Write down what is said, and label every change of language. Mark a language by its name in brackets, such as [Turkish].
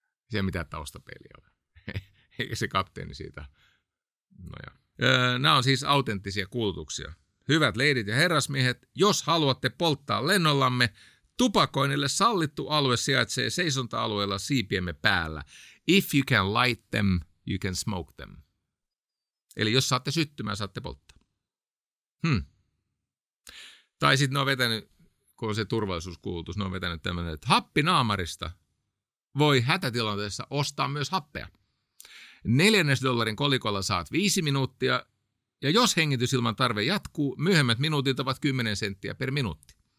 [Finnish] Se ei mitään taustapeiliä ole. Eikä se kapteeni siitä. No ja. Nämä on siis autenttisia kuulutuksia. Hyvät leidit ja herrasmiehet, jos haluatte polttaa lennollamme, tupakoinnille sallittu alue sijaitsee seisonta-alueella siipiemme päällä. [English] If you can light them, you can smoke them. [Finnish] Eli jos saatte syttymään, saatte polttaa. Tai sitten ne on vetänyt, kun on se turvallisuuskuulutus, ne on vetänyt tämmöinen, että happinaamarista voi hätätilanteessa ostaa myös happea. $4 kolikolla saat 5 minuuttia, ja jos hengitysilman tarve jatkuu, myöhemmät minuutit ovat 10 senttiä per minuutti.